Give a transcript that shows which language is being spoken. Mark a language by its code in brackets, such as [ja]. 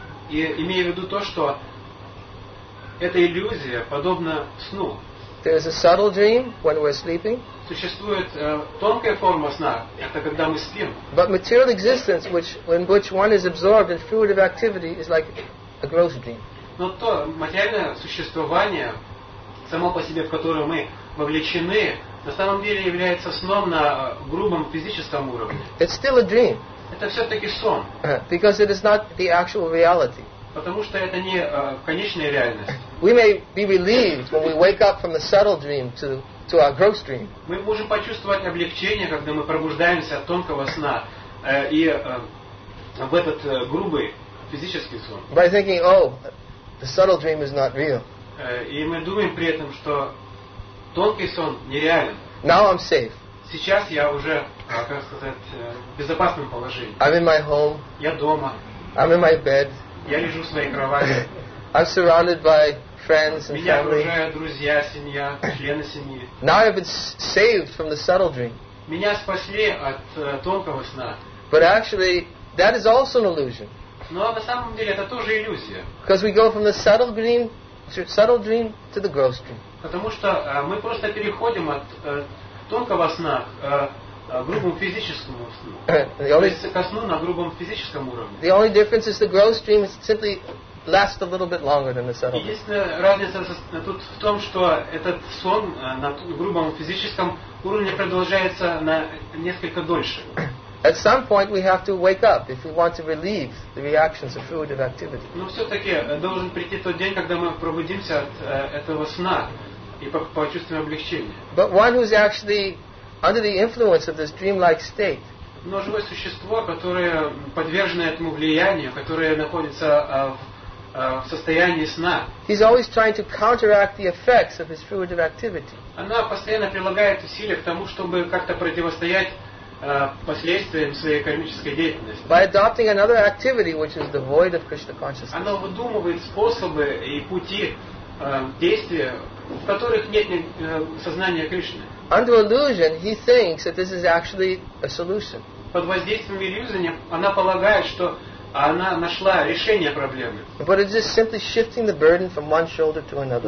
[ru] И имею в виду то, что эта иллюзия подобна сну. [en] There is a subtle dream when we're sleeping. [ru] Существует тонкая форма сна, это когда мы спим. [en] But material existence, in which one is absorbed in fruitive activity, is like a gross dream. [ru] Но то материальное существование, само по себе, в которое мы вовлечены, на самом деле является сном на грубом физическом уровне. [en] It's still a dream. [ru] Это все-таки сон. [en] Because it is not the actual reality. [ru] Потому что это не конечная реальность. [en] We may be relieved when we wake up from the subtle dream to our gross dream. [ru] Мы можем почувствовать облегчение, когда мы пробуждаемся от тонкого сна и в этот грубый физический сон. [en] By thinking, oh, the subtle dream is not real. [ru] И мы думаем при этом, что тонкий сон нереален. [en] Now I'm safe. [ru] Сейчас я уже, как сказать, в безопасном положении. [en] I'm in my home. [ru] Я дома. [en] I'm in my bed. [ru] Я лежу в своей кровати. [en] I'm surrounded by friends and family. [ru] Меня окружают друзья, семья, члены семьи. [en] Now I've been saved from the subtle dream. [ru] Меня спасли от тонкого сна. [en] But actually, that is also an illusion. [ru] Но на самом деле это тоже иллюзия. [en] Because we go from the subtle dream to the gross dream. [ru] Потому что мы просто переходим от тонкого сна к грубому физическому сну. То есть ко сну на грубом физическом уровне. [en] The only difference is the gross dream simply lasts a little bit longer than the subtle. [ru] Единственная разница тут в том, что этот сон на грубом физическом уровне продолжается на несколько дольше. [en] At some point we have to wake up if we want to relieve the reactions of fruitive activity. [ru] Но все-таки должен прийти тот день, когда мы пробудимся от этого сна и почувствуем облегчение. [en] But one who is actually under the influence of this dreamlike state. [ru] Но живое существо, которое подвержено этому влиянию, которое находится в состоянии сна. [en] He's always trying to counteract the effects of his fruitive activity. [ru] Она постоянно прилагает усилия к тому, чтобы как-то противостоять последствиям своей кармической деятельности. [en] By adopting another activity which is devoid of Krishna consciousness. [ru] Она выдумывает способы и пути действия, в которых нет сознания Кришны. [en] Under illusion, he thinks that this is actually a solution. [ru] Под воздействием иллюзии она полагает, что она нашла решение проблемы. [en] But it's just simply shifting the burden from one shoulder to another.